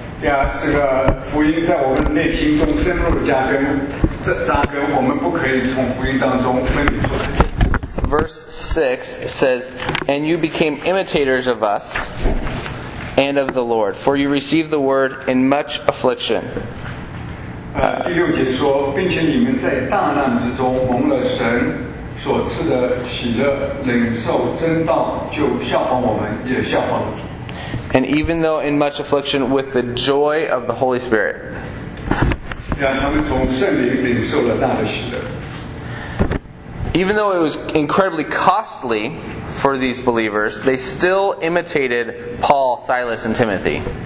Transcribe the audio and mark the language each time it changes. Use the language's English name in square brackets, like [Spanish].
[English] Verse 6 says, and you became imitators of us and of the Lord, for you received the word in much affliction. [Chinese] 第六节说, 并且你们在大难之中蒙了神所赐的喜乐, 领受真道就效仿我们, 也效仿主。 [English] And even though in much affliction, with the joy of the Holy Spirit. [Chinese] 让他们从圣灵领受了大的喜乐。 [English] Even though it was incredibly costly for these believers, they still imitated Paul, Silas, and Timothy.